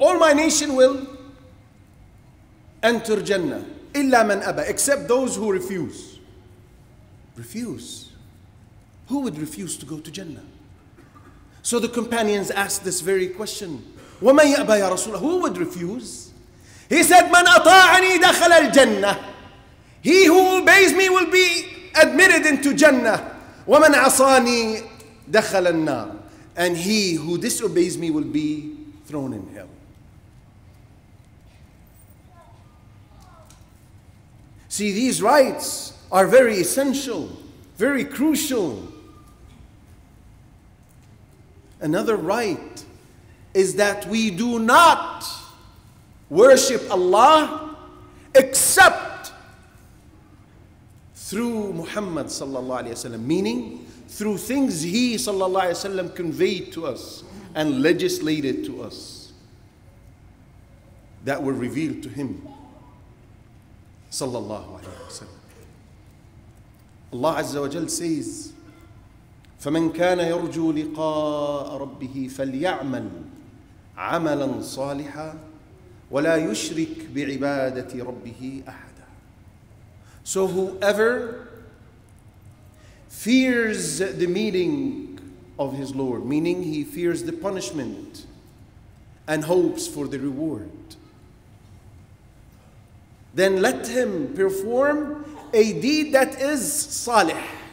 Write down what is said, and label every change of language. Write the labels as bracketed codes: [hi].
[en] All my nation will enter Jannah, [ar] إلا من أبى, [en] except those who refuse. Refuse? Who would refuse to go to Jannah? So the companions asked this very question, [ar] وَمَنْ يَأْبَى يَا رَسُولَ. [en] Who would refuse? He said, [ar] مَنْ أَطَاعَنِي دَخَلَ الْجَنَّةِ. [en] He who obeys me will be admitted into Jannah. [ar] وَمَنْ عَصَانِي دَخَلَ النَّارِ. [en] And he who disobeys me will be thrown in hell. See, these rites are very essential, very crucial. Another right is that we do not worship Allah except through Muhammad sallallahu alayhi wa sallam, meaning through things he sallallahu alayhi wa sallam conveyed to us and legislated to us that were revealed to him sallallahu alayhi wa sallam. Allah Azza wa Jal says, [ar] فَمَنْ كَانَ يَرْجُو لِقَاءَ رَبِّهِ فَلْيَعْمَلْ عَمَلًا صَالِحًا وَلَا يُشْرِكْ بِعِبَادَةِ رَبِّهِ أَحَدًا. [en] So whoever fears the meeting of his Lord, meaning he fears the punishment and hopes for the reward, then let him perform a deed that is salih.